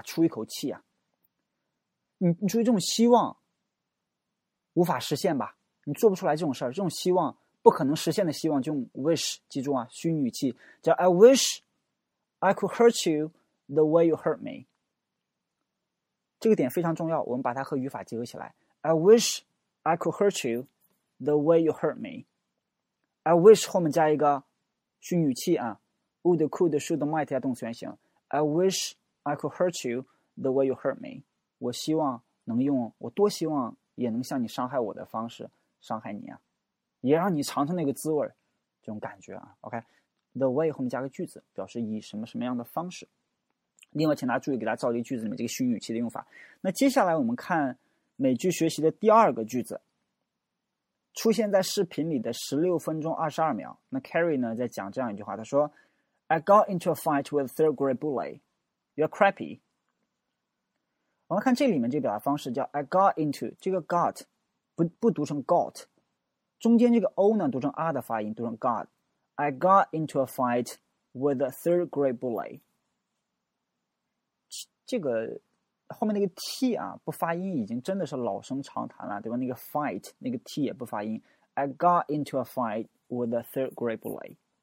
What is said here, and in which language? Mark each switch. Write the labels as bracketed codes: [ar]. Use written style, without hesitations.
[zh] 出一口气啊。”你出于这种希望。无法实现吧，你做不出来这种事儿，这种希望不可能实现的希望，就用 wish， 记住啊，虚拟语气叫 [en] I wish I could hurt you the way you hurt me。 [zh] 这个点非常重要，我们把它和语法结合起来。 [en] I wish I could hurt you the way you hurt me。 [zh] I wish 后面加一个虚拟语气啊 ，would could should might 加动词原形。 [en] I wish I could hurt you the way you hurt me。 [zh] 我希望能用，我多希望也能像你伤害我的方式伤害你啊，也让你尝尝那个滋味，这种感觉啊。 OK，the way 后面加个句子，表示以什么什么样的方式。另外，请大家注意，给大家造一个句子里面这个虚拟语气的用法。那接下来我们看美剧学习的第二个句子，出现在视频里的16分钟22秒。那 Carrie 呢在讲这样一句话，他说 [en] ：“I got into a fight with a third grade bully. You're crappy.” [zh] 我们看这里面这个表达方式叫 [en] “I got into”， [zh] 这个 “got” 不读成 “got”， 中间这个 “o” 呢读成 “r” 的发音，读成 “got”。 [en] I got into a fight with a third grade bully。 [zh] 这个后面那个 T 啊不发音已经真的是老生常谈了，对吧，那个 fight 那个 T 也不发音。 [en] I got into a fight with a third grade bully.